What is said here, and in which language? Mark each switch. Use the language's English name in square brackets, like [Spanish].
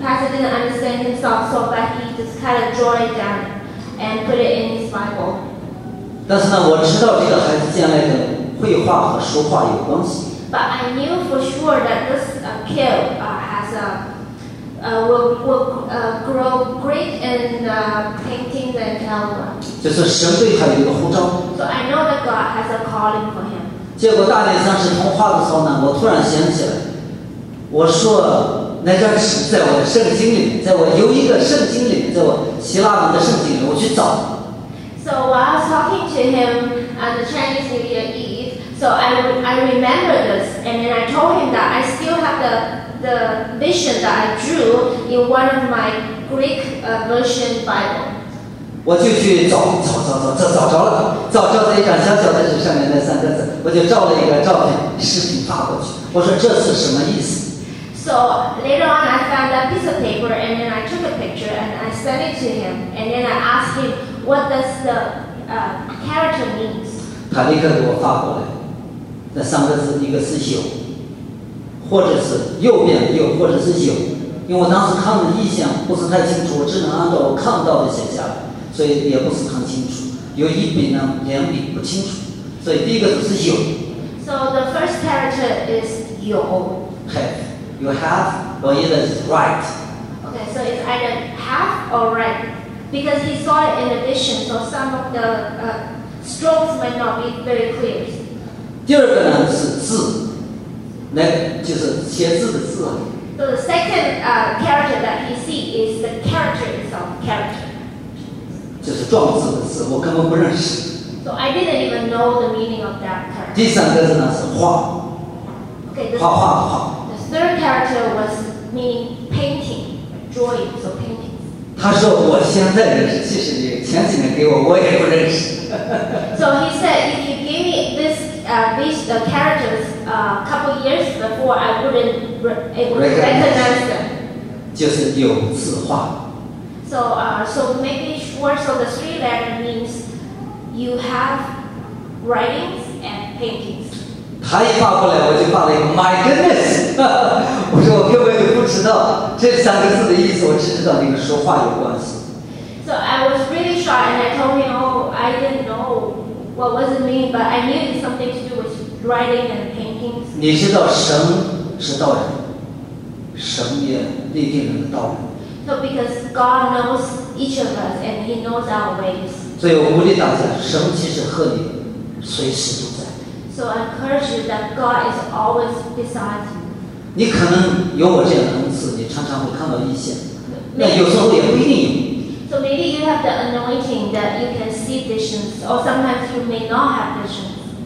[English] Pastor didn't understand himself, so but he just kind of draw it down and put it in his Bible. [Chinese] 但是呢，我知道这个孩子将来跟绘画和书画有关系。 [English] But I knew for sure that this kid has a grow great in painting and calligraphy. [Chinese] 就是神对他有一个呼召。 [English] So I know that God has a calling for him. [Chinese] 结果大年三十通话的时候呢，我突然想起来，我说那张纸在我的圣经里，在我有一个圣经里，在我希腊文的圣经里，我去找。 [English] So while I was talking to him on the Chinese New Year Eve. So I remember this, and then I told him that I still have the vision that I drew in one of my Greek version Bible. [Chinese] 我就去找着了，找着了一张小小的纸上面那三个字，我就照了一个照片，视频发过去。我说这是什么意思 [English] ？So later on, I found that piece of paper, and then I took a picture and I sent it to him, and then I asked him what does the character means. [Chinese] 他立刻给我发过来。那三个字，一个是有，或者是右边有，或者是有，因为我当时看的意象不是太清楚，我只能按照我看到的写下来，所以也不是很清楚。有一笔呢，两笔不清楚，所以第一个字是有。 [English] So the first character is 有。 Have, you have, or either is right. Okay, so it's either have or right, because he saw it in a vision, so some of the strokes might not be very clear. [Chinese] 第二个呢是字，那就是写字的字。 [English] So the second character that he see is the character itself, character. [Chinese] 就是壮字的字，我根本不认识。 [English] So I didn't even know the meaning of that character. [Chinese] 第三个字呢是画。 [English] Okay, [Chinese] 画画的画。 [English] The third character was meaning painting, drawing, so painting. [Chinese] 他说我现在认识，其实你前几年给我也不认识。 [English] So he said if you give me this. These the characters a couple years before I wouldn't able to recognize them. [Chinese] 就是有字画。 [English] So maybe four, so the three letters means you have writings and paintings. [Chinese] 他一画过来，我就画了一个 [English] My goodness！ [Chinese] 我说我根本就不知道这三个字的意思，我只知道那个说话有关系。 [English] So I was really shocked, and I told him, "Oh, I didn't know what was it mean, but I knew it's something to do with writing and paintings." [Chinese] 你知道神是道人，神也立定人的道路。 [English] So because God knows each of us and He knows our ways. [Chinese] 所以我鼓励大家，神其实和你随时都在。 [English] So I encourage you that God is always beside you. [Chinese] 你可能有我这样的恩赐，你常常会看到异象，那有时候也不一定有。 [English] So maybe you have the anointing that you can see visions, or sometimes you may not have visions.